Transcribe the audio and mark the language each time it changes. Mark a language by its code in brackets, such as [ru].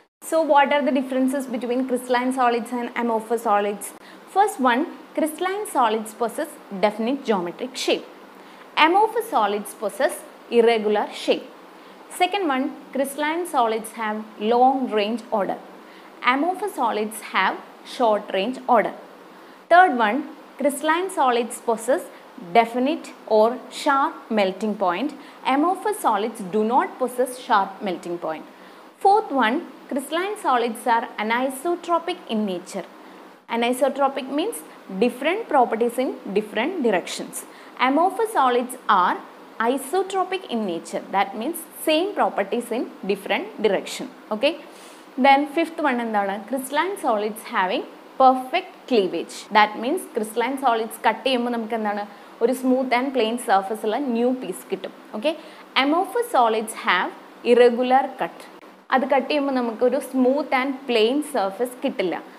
[en] So what are the differences between crystalline solids and amorphous solids? First one, crystalline solids possess definite geometric shape. Amorphous solids possess irregular shape. Second one, crystalline solids have long range order. Amorphous solids have short range order. Third one, crystalline solids possess definite or sharp melting point. Amorphous solids do not possess sharp melting point. Fourth one, crystalline solids are anisotropic in nature. Anisotropic means different properties in different directions. Amorphous solids are isotropic in nature. That means same properties in different direction. Okay? Then fifth one എന്താണ്, crystalline solids having perfect cleavage. That means crystalline solids [ml] cut ചെയ്യുമ്പോൾ നമുക്ക് എന്താണ് ഒരു smooth and plain സർഫസുള്ള new piece കിട്ടും. [en] Okay, amorphous solids have irregular cut. [ml] അത് cut ചെയ്യുമ്പോൾ നമുക്ക് ഒരു സ്മൂത്ത് ആൻഡ് പ്ലെയിൻ സർഫസ് കിട്ടില്ല.